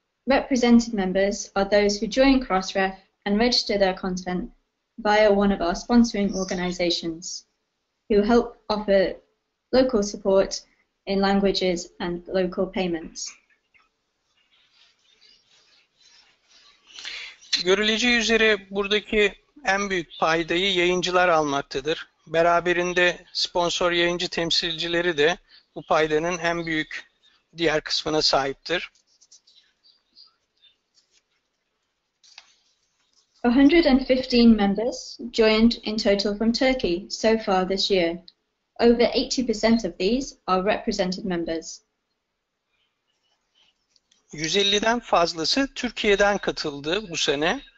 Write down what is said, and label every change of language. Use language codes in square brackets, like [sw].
[en] Represented members are those who join Crossref and register their content via one of our sponsoring organizations, who help offer local support in languages and local payments. [tr] Görüleceği üzere buradaki en büyük paydayı yayıncılar almaktadır. Beraberinde sponsor yayıncı temsilcileri de bu paydanın en büyük diğer kısmına sahiptir. [en] 115 members joined in total from Turkey so far this year. Over 80% of these are represented members. [tr] 150'den fazlası Türkiye'den katıldı bu sene.